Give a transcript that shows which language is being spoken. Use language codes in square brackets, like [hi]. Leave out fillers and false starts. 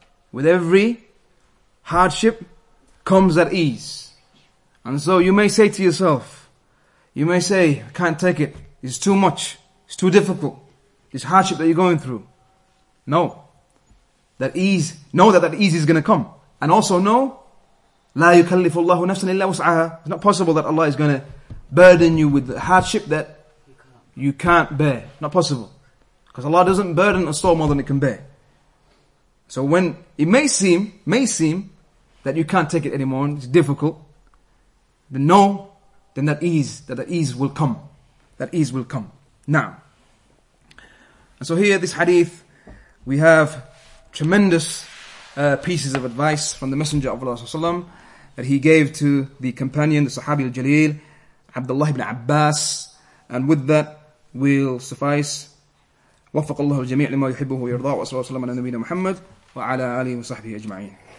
[en] With every hardship comes that ease. And so you may say to yourself, you may say, I can't take it. It's too much. It's too difficult. This hardship that you're going through. No. That ease. Know that that ease is going to come. And also know, [ar] لا يكلف الله نفسا إلا وسعها. [en] It's not possible that Allah is going to burden you with the hardship that you can't bear. Not possible. Because Allah doesn't burden a soul more than it can bear. So when it may seem that you can't take it anymore and it's difficult, then know then that ease will come. That ease will come. Now. And so here, this hadith, we have tremendous pieces of advice from the Messenger of Allah Sallallahu Alaihi Wasallam that he gave to the companion, the Sahabi al-Jaleel, Abdullah ibn Abbas. And with that, we'll suffice. [ar] وفق الله الجميع لما يحبه ويرضاه وصلى الله وسلم على نبينا محمد وعلى آله وصحبه أجمعين.